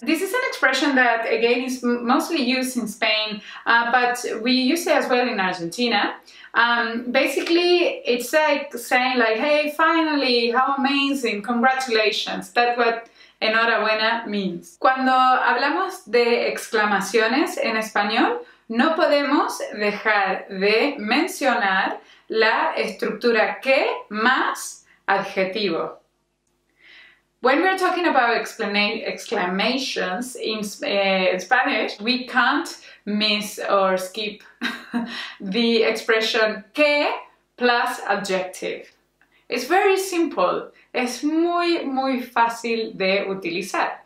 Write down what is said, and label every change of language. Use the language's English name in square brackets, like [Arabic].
[English] This is an expression that, again, is mostly used in Spain, but we use it as well in Argentina. Basically, it's like saying like, hey, finally, how amazing, congratulations. That's what enhorabuena means. [Spanish] Cuando hablamos de exclamaciones en español, no podemos dejar de mencionar la estructura que más adjetivo. [English] When we're talking about exclamations in Spanish, we can't miss or skip the expression que plus adjective. It's very simple. [Spanish] Es muy, muy fácil de utilizar.